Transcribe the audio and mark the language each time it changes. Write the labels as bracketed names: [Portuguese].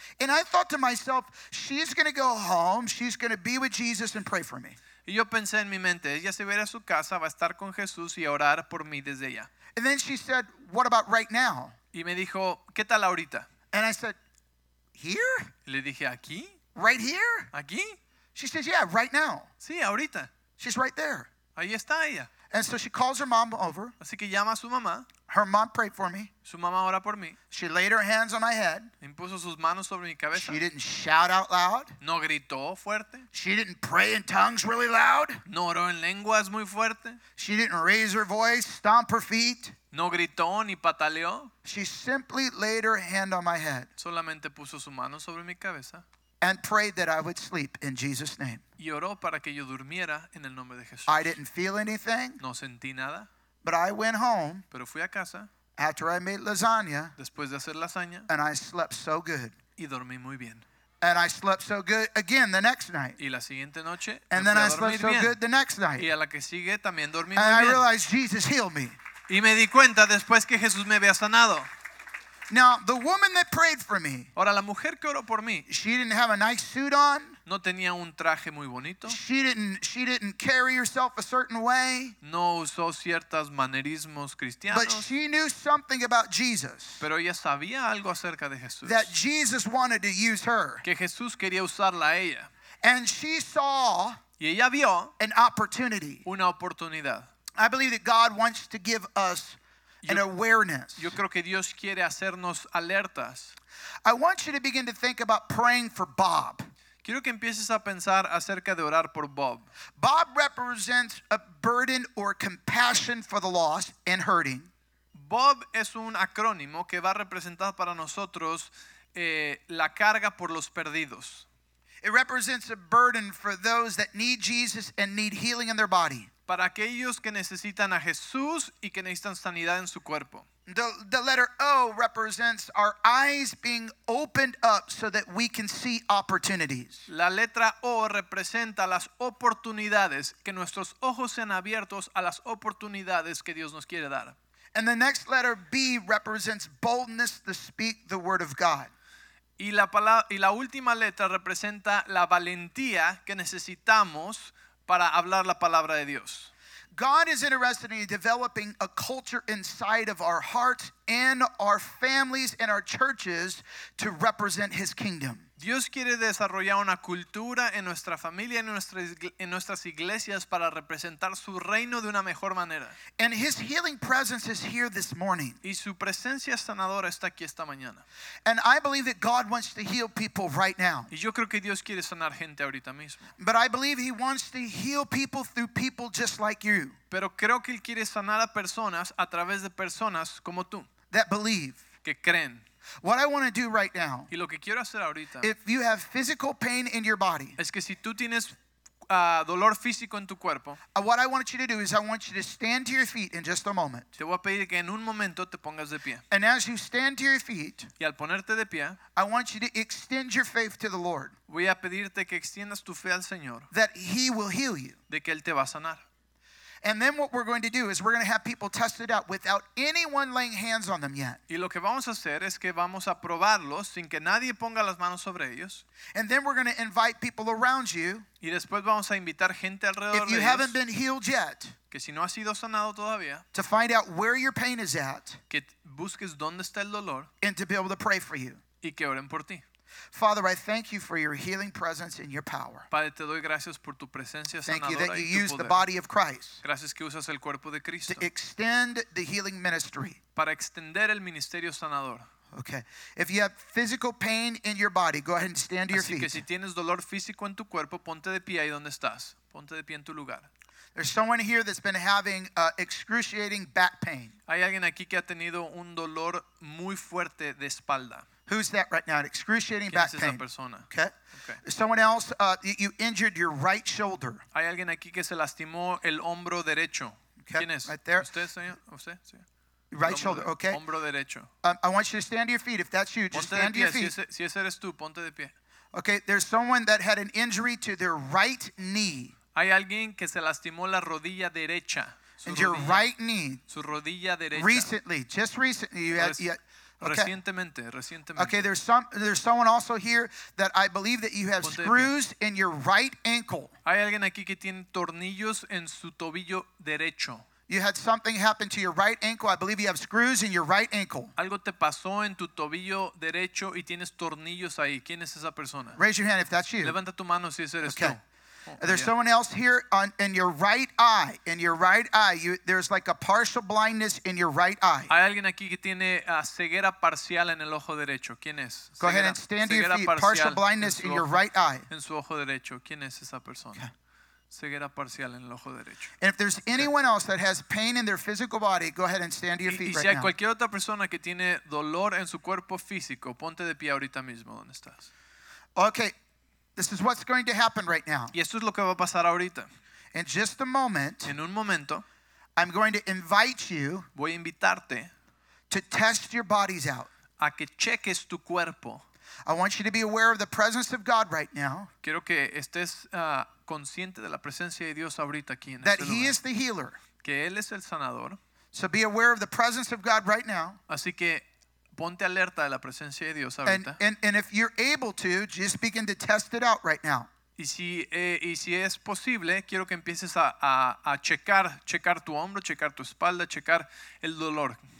[English] And I thought to myself, she's going to go home, she's going to be with Jesus and pray for me. [Spanish] Y yo pensé en mi mente, ella se va a ir a su casa, va a estar con Jesús y a orar por mí desde allá. [English] And then she said, what about right now? [Spanish] Y me dijo, ¿qué tal ahorita? [English] And I said, here? [Spanish] Y le dije, ¿aquí? [English] Right here? [Spanish] ¿Aquí? [English] She says, yeah, right now. [Spanish] Sí, ahorita. [English] She's right there. [Spanish] Ahí está ella. [English] And so she calls her mom over. [Spanish] Así que llama a su mamá. [English] Her mom prayed for me. [Spanish] Su mamá ora por mí. [English] She laid her hands on my head. [Spanish] Impuso sus manos sobre mi cabeza. [English] She didn't shout out loud. [Spanish] No gritó fuerte. [English] She didn't pray in tongues really loud. [Spanish] No oró en lenguas muy fuerte. [English] She didn't raise her voice, stomp her feet. [Spanish] No gritó ni pataleó. [English] She simply laid her hand on my head. [Spanish] Solamente puso su mano sobre mi cabeza. [English] And prayed that I would sleep in Jesus' name. [Spanish] Y oró para que yo durmiera en el nombre de Jesús. [English] I didn't feel anything. [Spanish] No sentí nada. [English] But I went home. [Spanish] Pero fui a casa. [English] After I made lasagna. [Spanish] Después de hacer lasaña. [English] And I slept so good. [Spanish] Y dormí muy bien. [English] And I slept so good again the next night. [Spanish] Y la siguiente noche. [English] And then I slept so good the next night. [Spanish] Y a la que sigue también dormí muy bien. [English] And I realized Jesus healed me. [Spanish] Y me di cuenta después que Jesús me había sanado. [English] Now the woman that prayed for me. [Spanish] Ahora la mujer que oró por mí. [English] She didn't have a nice suit on. [Spanish] No tenía un traje muy bonito. [English] She didn't carry herself a certain way. [Spanish] No usó ciertos manerismos cristianos. [English] But she knew something about Jesus. [Spanish] Pero ella sabía algo acerca de Jesús. [English] That Jesus wanted to use her. [Spanish] Que Jesús quería usarla a ella. [English] And she saw. [Spanish] Y ella vio. [English] An opportunity. [Spanish] Una oportunidad. [English] I believe that God wants to give us. An awareness. [Spanish] Yo creo que Dios quiere hacernos alertas. [English] I want you to begin to think about praying for Bob. [Spanish] Quiero que empieces a pensar acerca de orar por Bob. [English] Bob represents a burden or compassion for the lost and hurting. [Spanish] Bob es un acrónimo que va a representar para nosotros la carga por los perdidos. [English] It represents a burden for those that need Jesus and need healing in their body. [Spanish] Para aquellos que necesitan a Jesús y que necesitan sanidad en su cuerpo. [English] The letter O represents our eyes being opened up so that we can see opportunities. [Spanish] La letra O representa las oportunidades, que nuestros ojos sean abiertos a las oportunidades que Dios nos quiere dar. [English] And the next letter B represents boldness to speak the word of God. [Spanish] Y la última letra representa la valentía que necesitamos para hablar la palabra de Dios. [English] God is interested in developing a culture inside of our hearts and our families and our churches to represent his kingdom. [Spanish] Dios quiere desarrollar una cultura en nuestra familia, en nuestras iglesias para representar su reino de una mejor manera. [English] And his healing presence is here this morning. [Spanish] Y su presencia sanadora está aquí esta mañana. [English] And I believe that God wants to heal people right now. [Spanish] Y yo creo que Dios quiere sanar gente ahorita mismo. [English] But I believe he wants to heal people through people just like you. [Spanish] Pero creo que él quiere sanar a personas a través de personas como tú. [English] That believe. [Spanish] Que creen. [English] What I want to do right now, [Spanish] y lo que quiero hacer ahorita, [English] if you have physical pain in your body, [Spanish] es que si tú tienes dolor físico en tu cuerpo. [English] What I want you to do is I want you to stand to your feet in just a moment. [Spanish] Te voy a pedir que en un momento te pongas de pie. [English] And as you stand to your feet, [Spanish] y al ponerte de pie, [English] I want you to extend your faith to the Lord. [Spanish] Voy a pedirte que extiendas tu fe al Señor. [English] That he will heal you. [Spanish] De que él te va a sanar. [English] And then what we're going to do is we're going to have people tested out without anyone laying hands on them yet. [Spanish] Y lo que vamos a hacer es que vamos a probarlos sin que nadie ponga las manos sobre ellos. [English] And then we're going to invite people around you. [Spanish] Y después vamos a invitar gente alrededor de ellos. [English] If you haven't been healed yet, [Spanish] que si no has sido sanado todavía, [English] to find out where your pain is at, [Spanish] que busques dónde está el dolor, [English] and to be able to pray for you. [Spanish] Y que oren por ti. [English] Father, I thank you for your healing presence and your power. [Spanish] Padre, te doy gracias por tu presencia sanadora. [English] Thank you that you use the body of Christ. [Spanish] Gracias que usas el cuerpo de Cristo. [English] To extend the healing ministry. [Spanish] Para extender el ministerio sanador. [English] Okay. If you have physical pain in your body, go ahead and stand to your feet. [Spanish] Así que si tienes dolor físico en tu cuerpo, ponte de pie ahí donde estás. Ponte de pie en tu lugar. [English] There's someone here that's been having excruciating back pain. [Spanish] Hay alguien aquí que ha tenido un dolor muy fuerte de espalda. [English] Who's that right now? An excruciating back pain. [Spanish] Persona? [English] Okay. Someone else, you injured your right shoulder. [Spanish] Hay alguien aquí que se lastimó el hombro derecho. [English] Okay. [Spanish] ¿Quién es? [English] Right there. [Spanish] ¿Usted, señor? ¿Usted? Sí. [English] Right shoulder, okay. [Spanish] Hombro derecho. [English] I want you to stand to your feet. If that's you, just [Spanish] ponte [English] stand [Spanish] de pie, [English] to your feet. [Spanish] Si ese eres tú, ponte de pie. [English] Okay, there's someone that had an injury to their right knee. [Spanish] Hay alguien que se lastimó la rodilla derecha. [English] And your right knee. [Spanish] Su rodilla derecha. [English] Recently, just recently, you had [Spanish] okay. Recientemente. [English] Okay, there's someone also here that I believe that you have screws in your right ankle. [Spanish] Hay alguien aquí que tiene tornillos en su tobillo derecho. [English] You had something happen to your right ankle. I believe you have screws in your right ankle. [Spanish] Algo te pasó en tu tobillo derecho y tienes tornillos ahí. ¿Quién es esa persona? [English] Raise your hand if that's you. [Spanish] Levanta tu mano si ese eres [English] okay. [Spanish] tú. [English] There's yeah. someone else here on in your right eye. In your right eye, there's like a partial blindness in your right eye. [Spanish] Hay alguien aquí que tiene ceguera parcial en el ojo derecho. ¿Quién es? [English] Go ahead and stand to your feet. Partial blindness in your right eye. [Spanish] En su ojo derecho. ¿Quién es esa persona? Okay. Ceguera parcial en el ojo derecho. [English] And if there's anyone else that has pain in their physical body, go ahead and stand to your feet [Spanish] y si [English] right now. [Spanish] Si hay cualquier otra persona que tiene dolor en su cuerpo físico, ponte de pie ahorita mismo donde estás. [English] Okay. This is what's going to happen right now. [Spanish] Y esto es lo que va a pasar ahorita. [English] In just a moment, [Spanish] en un momento, [English] I'm going to invite you [Spanish] voy a invitarte [English] to test your bodies out. [Spanish] A que cheques tu cuerpo. [English] I want you to be aware of the presence of God right now. [Spanish] Quiero que estés consciente de la presencia de Dios ahorita aquí en este lugar. [English] That he is the healer. [Spanish] Que él es el sanador. [English] So be aware of the presence of God right now. [Spanish] Así que ponte alerta de la presencia de Dios ahorita. [English] And if you're able to, just begin to test it out right now. [Spanish] Y si, y si es posible, quiero que empieces a checar tu hombro, checar tu espalda, checar el dolor.